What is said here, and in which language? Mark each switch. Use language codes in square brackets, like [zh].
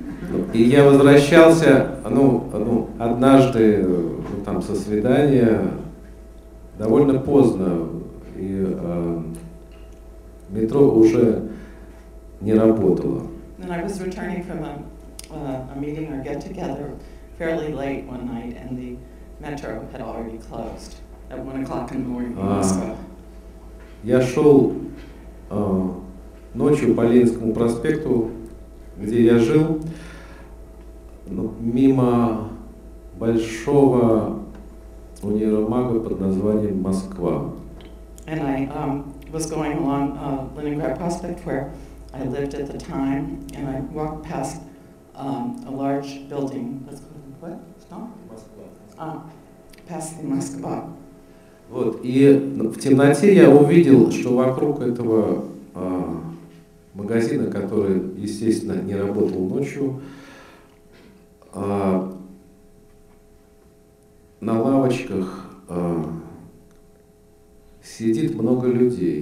[ru] Ну, и я возвращался, ну, однажды, ну, там, со свидания, довольно поздно, и метро уже не работало. [en] And I was returning from a meeting or get together fairly late one night, and the metro had already closed at 1 o'clock in the morning in Moscow. [ru] Я шел ночью по Ленинскому проспекту, где я жил, ну, мимо большого универмага под названием Москва. [en] And I was going along Leningrad Prospect, where I lived at the time, and I walked past a large building. What? Stop. Past the Москва. [ru] Вот, и в темноте я увидел, что вокруг этого магазина, который, естественно, не работал ночью, на лавочках сидит много людей.